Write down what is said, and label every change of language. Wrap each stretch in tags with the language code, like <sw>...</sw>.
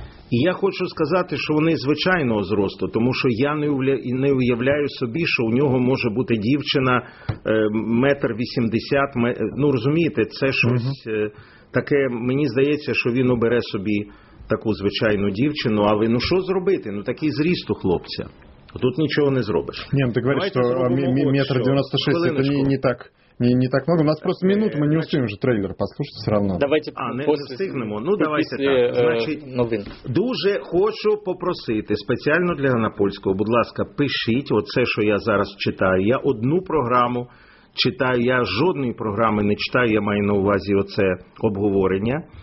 <uk>І я хочу сказати, що вони звичайного зросту, тому що я не уявляю собі, що у нього може бути дівчина 1,80 м. Ну, розумієте, це щось таке, мені здається, що він обере собі таку звичайну дівчину, але ну що зробити? Ну такий зріст у хлопця. Тут нічого не зробиш. Ні, ти говориш, що 1,96 м це не так.</uk> <ru>Не так много. У нас просто минут, мы не успеем уже трейлер послушать все равно. Давайте</ru> <uk>достигнемо. Ну, давайте так. Значить, новин. Дуже хочу попросити, спеціально для Ганапольського, будь ласка, пишіть оце, що я зараз читаю. Я одну програму читаю, я жодної програми не читаю, я маю на увазі оце обговорення.</uk>